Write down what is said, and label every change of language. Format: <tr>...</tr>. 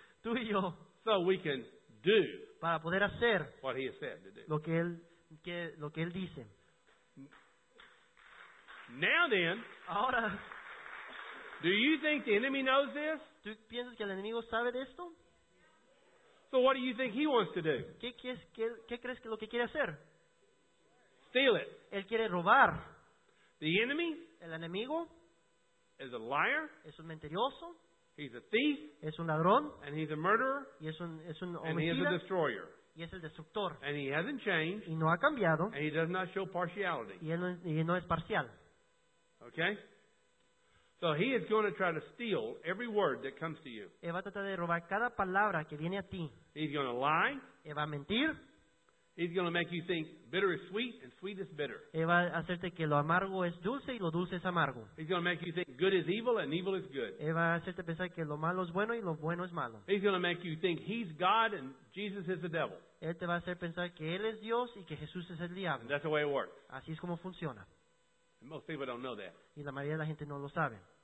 <es>Tú y yo.</es> <en>So we can do</en> <es>para poder hacer</es> <en>what he has said to do.</en> <es>Lo que él dice.</es> <en>Now then,</en> <es>ahora,</es> <en>do you think the enemy knows this?</en> <es>¿Tú piensas que el enemigo sabe de esto?</es> <en>So what do you think he wants to do?</en> <es>¿Qué crees que lo que quiere hacer?</es> <en>Steal it.</en> <es>Él quiere robar.</es> <en>The enemy?</en> <es>El enemigo?</es> <en>Is a liar?</en> <es>Es un mentiroso.</es> <en>He's a thief?</en> <es>Es un ladrón.</es> <en>And he's a murderer?</en> <es>Y es un homicida.</es> <en>And he is a destroyer.</en> <es>Y es el destructor.</es> <en>And he hasn't changed.</en> <es>Y no ha cambiado.</es> <en>And he does not show partiality.</en> <es>Y él no es parcial.</es> <en>Okay? So he is going to try to steal every word that comes to you.</en> <es>Él va a tratar de robar cada palabra que viene a ti.</es> <en>He's going to lie.</en> <es>Él va a mentir.</es> <en>He's going to make you think bitter is sweet and sweet is bitter.</en> <es>Él va a hacerte que lo amargo es dulce y lo dulce es amargo.</es> <en>He's going to make you think good is evil and evil is good.</en> <es>Él va a hacerte pensar que lo malo es bueno y lo bueno es malo.</es> <en>He's going to make you think he's God and Jesus is the devil.</en> <es>Él te va a hacer pensar que él es Dios y que Jesús es el diablo.</es> <en>And that's the way it works.</en> <es>Así es como funciona.</es> <en>And most people don't know that.</en> <es>Y la mayoría de la gente no lo sabe.</es>